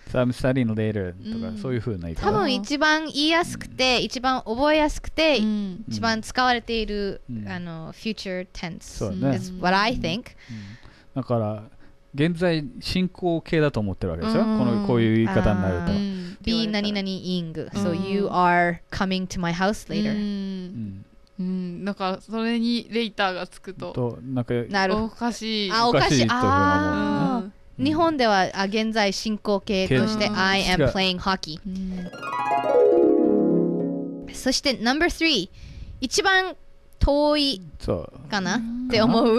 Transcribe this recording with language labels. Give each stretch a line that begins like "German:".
English: So I'm studying later、うん、
Japanese: とかそういう風な言い方、多分一番言いやすくて、うん、一番覚えやすくて、うん、一番使われている、うん、あの future tense、そうね、
English: is what I think、
Japanese: うんうん、だから現在進行形だと思ってるわけですよ、うん、このこういう言い方になると、
English: うん、be 何々 ing、うん、so you are coming to my house later、
Japanese: うんうんうん、なんかそれにレイターがつくと、なんかなるおかしい、あ、おかしいと日本では現在進行形として
English: I am playing hockey、うん、
Japanese: そして
English: number three
Japanese: 一番遠いかなって思う、